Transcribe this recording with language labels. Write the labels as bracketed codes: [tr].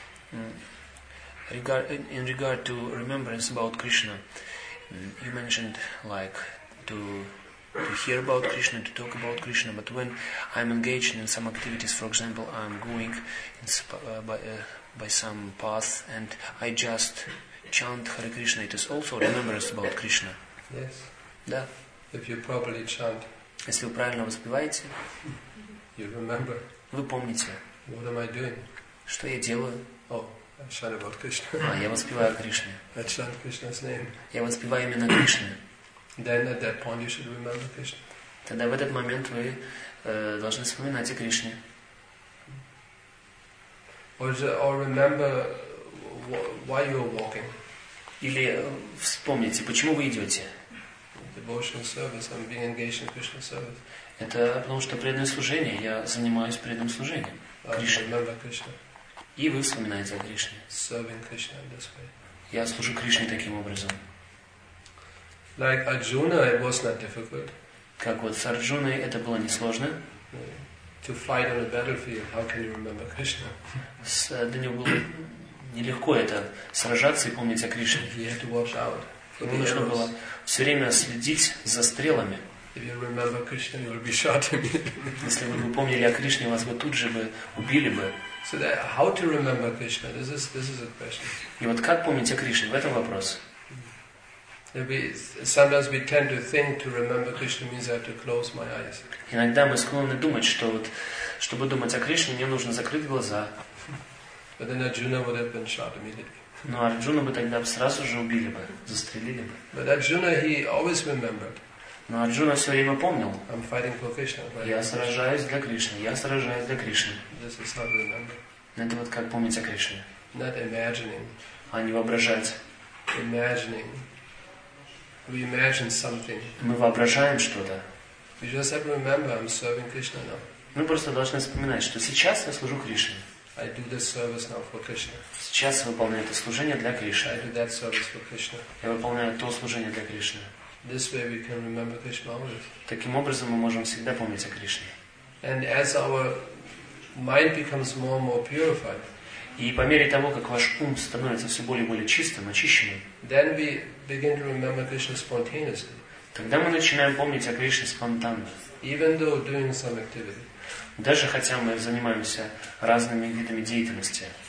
[en] In regard to remembrance about Krishna, you mentioned like to hear about Krishna, to talk about Krishna. But when I'm engaged in some activities, for example, I'm going by some path and I just chant Hare Krishna, it is also remembrance about Krishna. Yes. [ru] Да. [en] If you properly chant. [ru] Если вы правильно воспеваете. [en] You remember. [ru] Вы помните? [en] What am I doing? [ru] Что я делаю? [en] Oh, I chant about Krishna. [ru] А я воспеваю Кришне. [en] I chant Krishna's name. [ru] Я воспеваю именно Кришне. [en] Then at that point you should remember Krishna. [ru] Тогда в этот момент вы должны вспоминать о Кришне. [en] Or remember why you are walking. [ru] Или вспомните, почему вы идете. [en] Devotional service. I'm being engaged in Krishna service. [ru] Это потому что преданное служение. Я занимаюсь преданным служением. Кришне. И вы вспоминаете о Кришне. [en] Serving Krishna in this way. [ru] Я служу Кришне таким образом. [en] Like Arjuna, it was not difficult. [ru] Как вот с Арджуной это было несложно. [en] To fight on a battlefield, how can you remember Krishna? [ru] Для него было нелегко это сражаться и помнить о Кришне. [en] He had to watch out. [ru] Ему нужно было все время следить за стрелами. [en] If you remember Krishna, you will be shot. [ru] Если вы помнили о Кришне, вас бы тут же бы убили бы. [en] So that, how to remember Krishna? This is a question. [ru] И вот как помнить о Кришне? В этом вопрос. [en] Sometimes we tend to think to remember Krishna means I have to close my eyes. [ru] Иногда мы склонны думать, что вот, чтобы думать о Кришне, мне нужно закрыть глаза. [en] But then Arjuna would have been shot immediately. [ru] Но Арджуну бы тогда сразу же убили бы, застрелили бы. [en] But Arjuna, he always remembered. [ru] Но Арджуна все время помнил. [en] I'm fighting for Krishna, fighting [ru] я сражаюсь для Кришны. Я сражаюсь для Кришны. [en] This is how to remember. [ru] Это вот как помнить о Кришне. [en] Not imagining. [ru] А не воображать. [en] Imagining. We imagine something. [ru] Мы воображаем что-то. [en] We just have to remember I'm serving Krishna now. [ru] Мы просто должны вспоминать, что сейчас я служу Кришне. [en] I do this service now for Krishna. [ru] Сейчас я выполняю это служение для Кришны. [en] I do that service for Krishna. [ru] Я выполняю то служение для Кришны. [en] This way we can remember Krishna always. [ru] Таким образом мы можем всегда помнить о Кришне. [en] And as our mind becomes more and more purified, [ru] и по мере того, как ваш ум становится все более и более чистым, очищенным, [en] then we begin to remember Krishna spontaneously. [ru] Тогда мы начинаем помнить о Кришне спонтанно. [en] Even though doing some activity. [ru] Даже хотя мы занимаемся разными видами деятельности.